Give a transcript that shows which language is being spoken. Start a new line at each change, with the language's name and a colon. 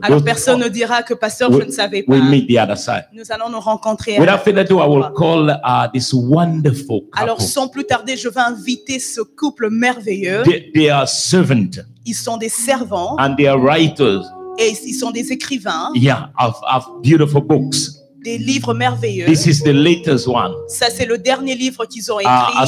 French: Alors personne ne dira que Pasteur, je ne savais pas.
English: We'll meet the other side.
French: Nous allons nous rencontrer.
English: Without further ado, I will call this wonderful couple.
French: Alors sans plus tarder, je vais inviter ce couple merveilleux.
English: They are servants.
French: Ils sont des servants.
English: And they are writers.
French: Et ils sont des écrivains.
English: Yeah, of beautiful books.
French: Des livres merveilleux.
English: This is the latest one.
French: Ça, c'est le dernier livre qu'ils ont écrit.